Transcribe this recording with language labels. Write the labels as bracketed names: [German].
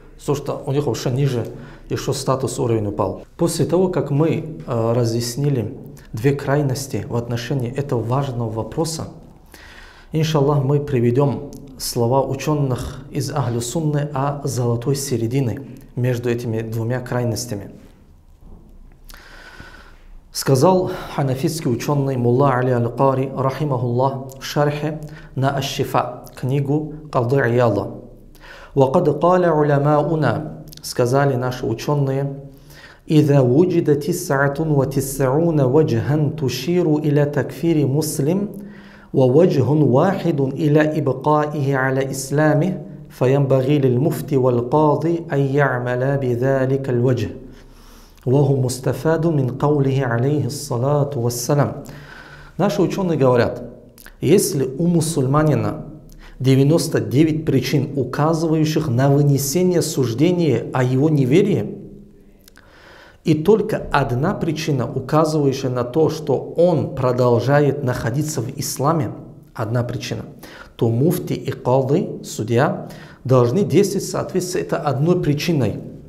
[Russian] То, что у них уже ниже, еще статус, уровень упал. После того, как мы разъяснили две крайности в отношении этого важного вопроса, иншаллах, мы приведем слова ученых из Ахлю Сунны о золотой середине между этими двумя крайностями. Сказал ханафитский ученый Мулла Али Аль-Кари, рахимахуллах, в шархе на Аш-Шифа, книгу Кады Ияла. [Arabic] وقد قال علماؤنا [Russian] сказали наши ученые [Arabic] إذا وجد تسعة وتسعون وجها تشير إلى تكفير مسلم ووجه واحد إلى إبقائه على إسلامه فينبغي للمفتي والقاضي أن يعمل بذلك الوجه وهو مستفاد من قوله عليه الصلاة والسلام. [Russian] Наши ученые говорят, если у мусульманина 99 причин, указывающих на вынесение суждения о его неверии, и только одна причина, указывающая на то, что он продолжает находиться в исламе, одна причина, то муфти и кады, судья, должны действовать в соответствии с этой одной причиной.